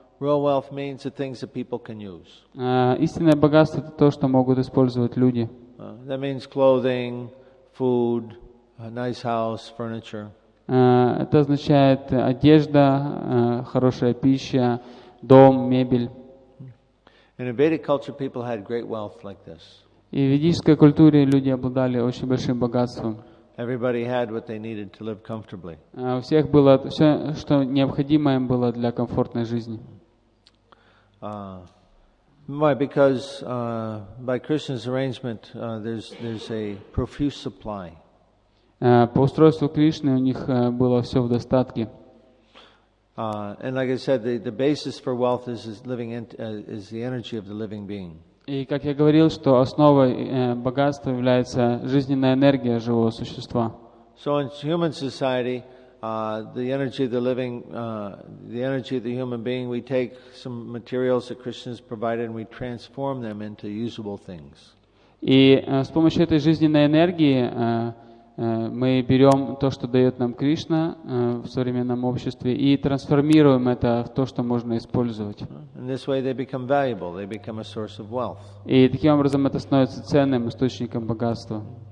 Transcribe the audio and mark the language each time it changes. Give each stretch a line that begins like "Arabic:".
English: Real wealth means the things that people can use.
Russian: Истинное богатство — это то, что могут использовать люди.
English: That means clothing, food, a nice house, furniture.
Russian: Это означает одежда, хорошая пища, дом, мебель.
English: In a Vedic culture, people had great wealth like this.
Russian: И в ведической культуре люди обладали очень большим богатством.
English: Everybody had what they needed to live comfortably.
Russian: У всех было все, что необходимо им было для комфортной жизни.
English: Why? Because by Krishna's arrangement, there's a profuse supply.
Russian: По устройству Кришны у них было все в достатке.
English: And like I said, the basis for wealth is the energy of the living being.
Russian: И как я говорил, что основой богатства является жизненная энергия живого существа.
English: So in human society, the energy of the living, the energy of the human being, we take some materials that Krishna has provided and we transform them into usable things.
Russian: И с помощью этой жизненной энергии мы берем то, что дает нам Кришна в современном обществе, и трансформируем это в то, что можно использовать. И таким образом это становится ценным источником богатства.